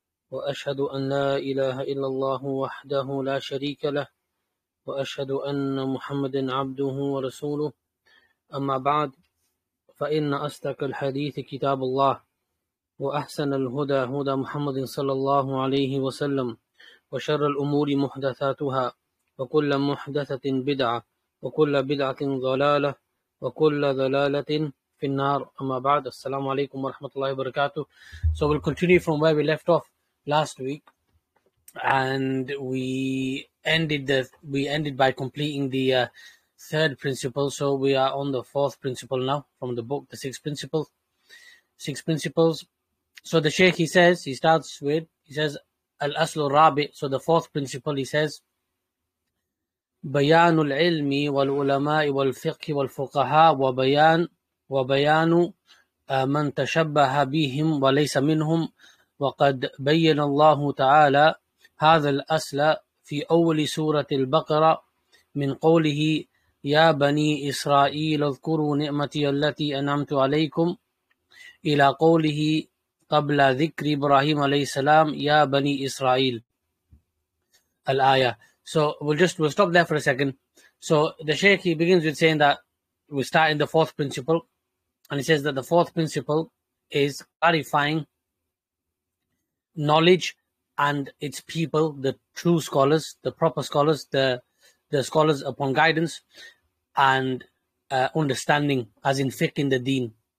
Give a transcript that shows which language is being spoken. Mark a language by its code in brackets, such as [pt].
[ar] وأشهد أن لا إله إلا الله وحده لا شريك له وأشهد أن محمدا عبده ورسوله أما بعد فإن أصدق الحديث كتاب الله وأحسن الهدى هدى محمد صلى الله عليه وسلم وشر الأمور محدثاتها وكل محدثة بدعة وكل بدعة ضلالة وكل ضلالة في النار أما بعد السلام عليكم ورحمة الله وبركاته. [en] So we'll continue from where we left off last week, and we ended by completing the third principle. So we are on the fourth principle now from the book, the six principles. So the Shaykh, he starts with al-aslu rabi. So the fourth principle, he says, [ar] بيان العلم والعلماء والفقه والفقهاء وبيان من تشبه بهم وليس منهم وقد بين الله تعالى هذا الأصل في أول سورة البقرة من قوله يا بني إسرائيل اذكروا نعمتي التي أنعمت عليكم إلى قوله قبل ذكر إبراهيم عليه السلام يا بني إسرائيل الآية. [en] So we'll stop there for a second. So the Shaykh, he begins with saying that we start in the fourth principle, and he says that the fourth principle is clarifying knowledge and its people, the true scholars, the proper scholars, the scholars upon guidance and understanding, as in fiqh in the deen.